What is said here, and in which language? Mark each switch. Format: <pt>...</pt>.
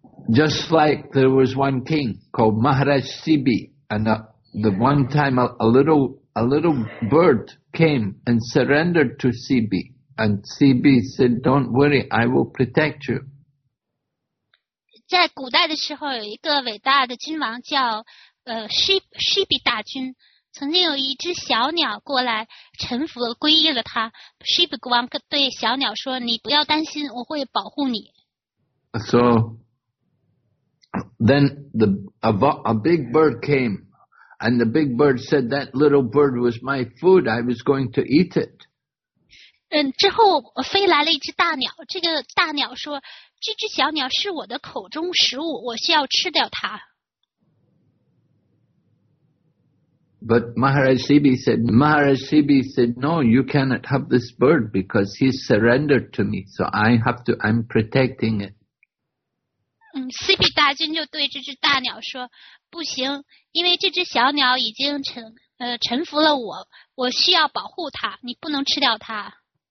<en>Just like there was one king called Maharaj Sibi, and the one time a little bird came and surrendered to Sibi, and Sibi said, "Don't worry, I will protect you."</en> <zh>在古代的时候，有一个伟大的君王叫Shibi 大君，曾经有一只小鸟过来臣服皈依了他。 Shibi 国王对小鸟说：“你不要担心，我会保护你。”</zh> <en>So then a big bird came, and the big bird said, "That little bird was my food. I was going to eat it."</en> <zh>之后飞来了一只大鸟，这个大鸟说。这只小鸟是我的口中食物，我需要吃掉它。</zh> <en>But Maharaj Sibi said, "No, you cannot have this bird because he surrendered to me. So I'm protecting it."</en> <zh>Sibi 大君就对这只大鸟说：“不行，因为这只小鸟已经臣服了我，我需要保护它，你不能吃掉它。”</zh>